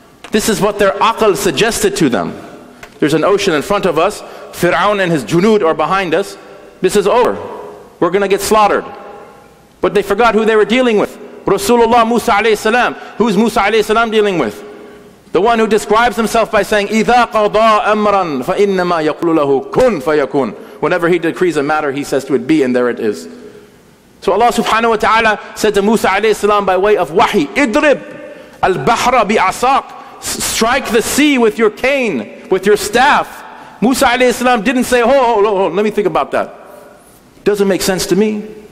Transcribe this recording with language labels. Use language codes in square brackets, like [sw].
[en] This is what their aql suggested to them. There's an ocean in front of us. Fir'aun and his junud are behind us. This is over. We're going to get slaughtered. But they forgot who they were dealing with. Rasulullah Musa alayhi salam. Who is Musa alayhi salam dealing with? [ar] The one who describes himself by saying, إِذَا قَضَى أَمْرًا فَإِنَّمَا يَقْلُ لَهُ كُنْ فَيَكُنْ. [en] Whenever he decrees a matter, he says to it, be, and there it is. So Allah subhanahu wa ta'ala said to Musa alayhi salam by way of wahi, [ar] idrib al-bahra bi-asaq, [en] strike the sea with your cane, with your staff. Musa alayhi salam didn't say, oh, let me think about that. Doesn't make sense to me.